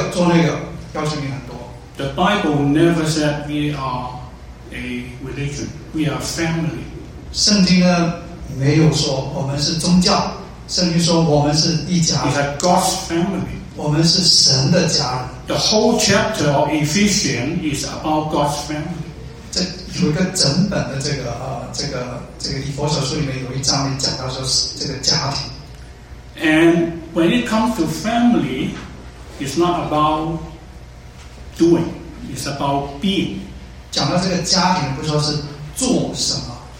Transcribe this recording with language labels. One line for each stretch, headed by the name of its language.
Chinese: 宗教呢是要求你要做这个做那个，要求你很多。The
English: Bible never said we are a religion. We are family.
Chinese: 圣经呢没有说我们是宗教，圣经说我们是一家人。
English: It's a God's family.
Chinese: 我们是神的家人。The
English: whole chapter of Ephesians is about God's family.
Chinese: 这有一个整本的这个以弗所书里面有一章里讲到说这个家庭。And
English: when it comes to family, it's not about doing, it's about being.
Chinese: 讲到这个家庭，不说是做什么。